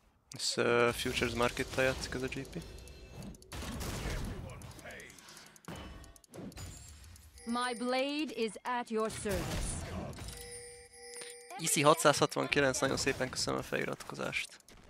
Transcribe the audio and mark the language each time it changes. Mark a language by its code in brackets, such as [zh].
[hu] Ez Futures Market-tal játszik ez a GP. [en] My blade is at your service. [hu] Iszi 669, nagyon szépen köszönöm a feliratkozást.